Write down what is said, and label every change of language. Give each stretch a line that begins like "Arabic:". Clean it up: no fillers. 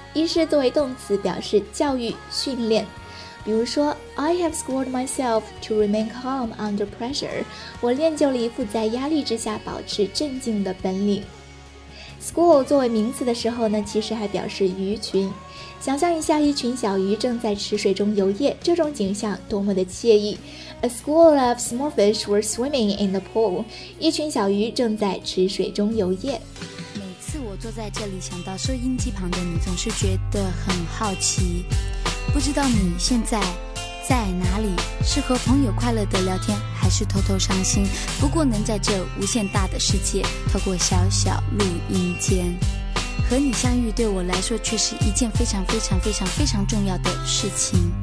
Chinese: 一是作为动词，表示教育、训练。比如说
English: I have schooled myself to remain calm under pressure，
Chinese: 我练就了一副在压力之下保持镇静的本领。 School 作为名词的时候呢，其实还表示鱼群。想象一下一群小鱼正在池水中游曳，这种景象多么的惬意。
English: A school of small fish were swimming in the pool，
Chinese: 一群小鱼正在池水中游曳。每次我坐在这里想到收音机旁的你，总是觉得很好奇，不知道你现在在哪里，是和朋友快乐的聊天，还是偷偷伤心？不过能在这无限大的世界，透过小小录音间和你相遇，对我来说却是一件非常非常非常非常重要的事情。